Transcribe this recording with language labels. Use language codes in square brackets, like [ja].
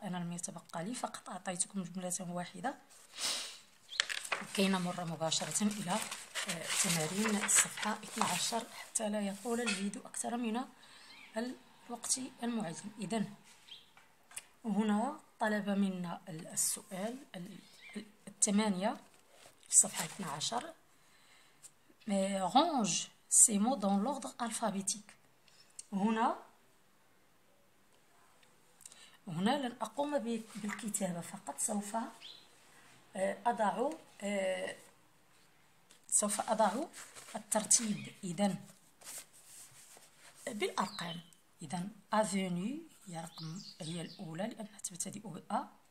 [ar] أنا لم يتبقى لي, فقط أعطيتكم جملة واحدة كي نمر مباشرة إلى تمارين الصفحة 12 حتى لا يطول الفيديو أكثر من الوقت المعين. إذن هنا طلب منا السؤال الثمانية صفحة 12. [fr] Range ces mots dans l'ordre alphabétique. [ar] هنا لن أقوم بالكتابة, فقط سوف أضع سوف أضع الترتيب. إذن بالأرقام. إذن أفينو هي رقم, هي الأولى لأنها تبتدئ بأ.